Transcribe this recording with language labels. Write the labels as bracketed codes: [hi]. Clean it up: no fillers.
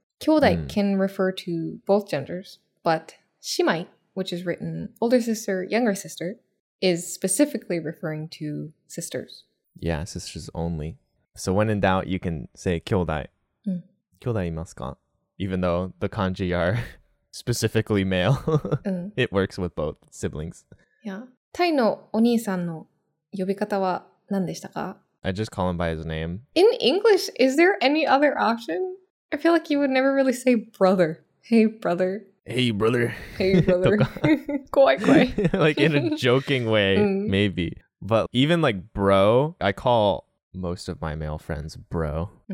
[en] 兄弟 can refer to both genders, but 姉妹, which is written older sister, younger sister, is specifically referring to sisters. Yeah, sisters only. So when in doubt, you can say 兄弟. [ja] 兄弟いますか? [en] Even though the kanji are specifically male, it works with both siblings. Yeah. [ja] タイのお兄さんの呼び方は何でしたか? [en] I just call him by his name. In English, is there any other option? I feel like you would never really say brother. Hey, brother. Hey, brother. Hey, brother. Quai, quai. Like in a joking way, maybe. But even like bro, I call most of my male friends bro.